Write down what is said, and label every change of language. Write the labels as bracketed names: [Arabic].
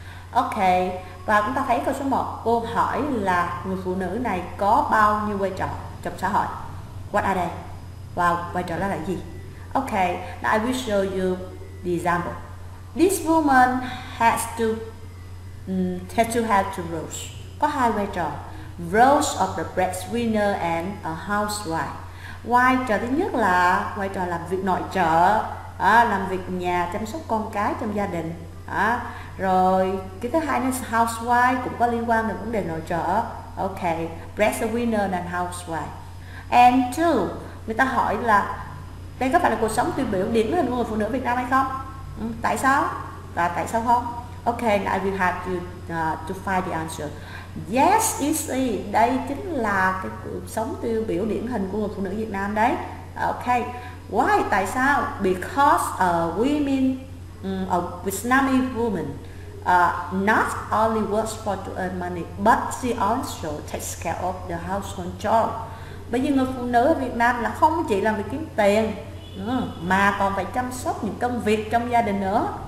[Vietnamese] Okay, và chúng ta thấy câu số 1, cô hỏi là người phụ nữ này có bao nhiêu vai trò trong xã hội? [English] What are they? Wow, [Vietnamese] vai trò đó là gì? [English] Okay, now I will show you the example. This woman has to have two roles. [Vietnamese] Có hai vai trò. [English] Roles of the breadwinner and a housewife. [Vietnamese] Vai trò thứ nhất là vai trò làm việc nội trợ, làm việc nhà, chăm sóc con cái trong gia đình. Rồi cái thứ hai là housewife, cũng có liên quan đến vấn đề nội trợ. [English] Okay, breadwinner and housewife. And two, [Vietnamese] người ta hỏi là đây có phải là cuộc sống tiêu biểu điển hình của người phụ nữ Việt Nam hay không? Tại sao? Và tại sao không? [English] Okay, I will have to find the answer. Yes, it's [Vietnamese] đây chính là cái cuộc sống tiêu biểu điển hình của người phụ nữ Việt Nam đấy. [English] Okay, why? [Vietnamese] Tại sao? [English] Because women a Vietnamese woman not only works for to earn money, but she also takes care of the household job. [Vietnamese] Bởi vì người phụ nữ ở Việt Nam là không chỉ làm việc kiếm tiền, mà còn phải chăm sóc những công việc trong gia đình nữa.